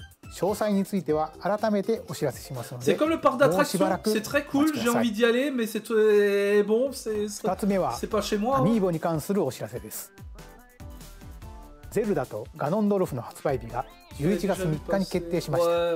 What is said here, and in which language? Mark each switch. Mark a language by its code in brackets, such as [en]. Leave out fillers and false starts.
[ja] オープンの時期など詳細については改めてお知らせしますので。 [fr] C'est comme le parc d'attractions, c'est très cool, j'ai envie d'y aller mais c'est bon, c'est pas chez moi. [ja] 2つ目はアミーボに関するお知らせです。ゼルダとガノンドルフの発売日が 11月 3日に決定しました。